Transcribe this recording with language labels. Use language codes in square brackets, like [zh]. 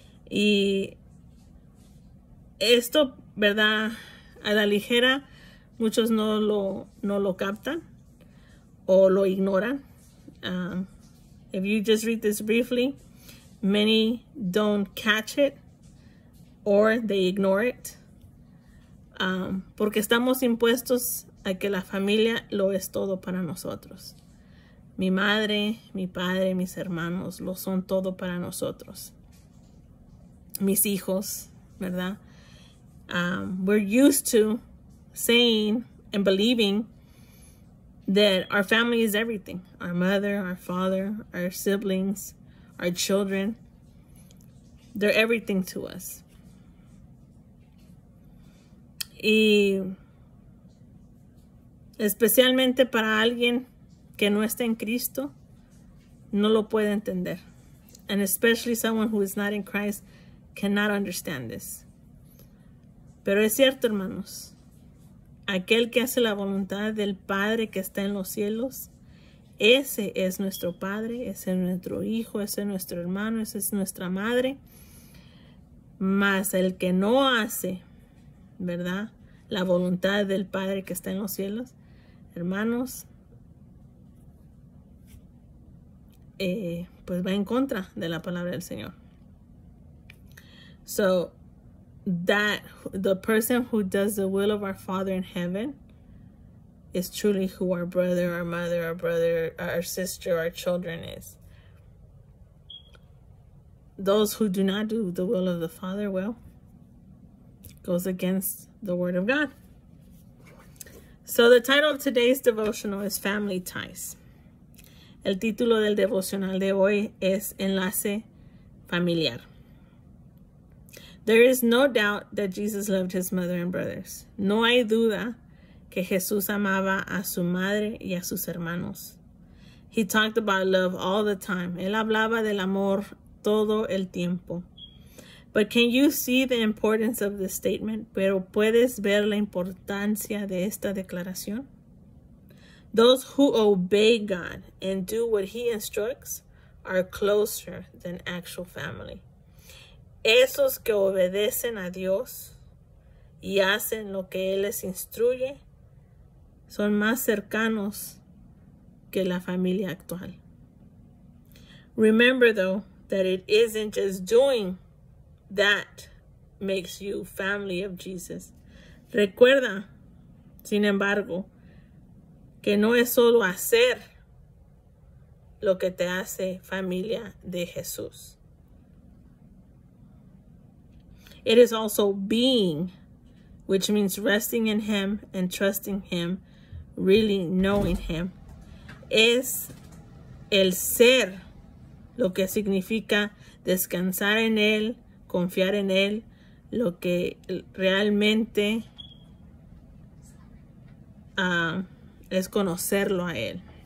[es] Y esto, ¿verdad?, a la ligera, muchos no lo captan o lo ignoran. [en] If you just read this briefly, many don't catch it or they ignore it. [es] Porque estamos impuestos a que la familia lo es todo para nosotros. Mi madre, mi padre, mis hermanos lo son todo para nosotros. Mis hijos, ¿verdad? [en] We're used to saying and believing that our family is everything. Our mother, our father, our siblings, our children. They're everything to us. [es] Y especialmente para alguien que no está en Cristo, no lo puede entender. [en] And especially someone who is not in Christ cannot understand this. [es] Pero es cierto, hermanos. Aquel que hace la voluntad del Padre que está en los cielos, ese es nuestro Padre, ese es nuestro Hijo, ese es nuestro hermano, esa es nuestra madre. Mas el que no hace, ¿verdad?, la voluntad del Padre que está en los cielos, hermanos, pues va en contra de la palabra del Señor. [en] So, that the person who does the will of our Father in heaven is truly who our brother, our mother, our brother, our sister, our children is. Those who do not do the will of the Father, well, goes against the word of God. So the title of today's devotional is Family Ties. [es] El título del devocional de hoy es Enlace Familiar. [en] There is no doubt that Jesus loved his mother and brothers. [es] No hay duda que Jesús amaba a su madre y a sus hermanos. [en] He talked about love all the time. [es] Él hablaba del amor todo el tiempo. [en] But can you see the importance of this statement? [es] Pero puedes ver la importancia de esta declaración. [en] Those who obey God and do what he instructs are closer than actual family. [es] Esos que obedecen a Dios y hacen lo que él les instruye son más cercanos que la familia actual. [en] Remember though that it isn't just doing that makes you family of Jesus. [es] Recuerda, sin embargo, que no es solo hacer lo que te hace familia de Jesús. [en] It is also being, which means resting in him and trusting him, really knowing him. [es] Es el ser, lo que significa descansar en él, confiar en él, lo que realmente es conocerlo a él.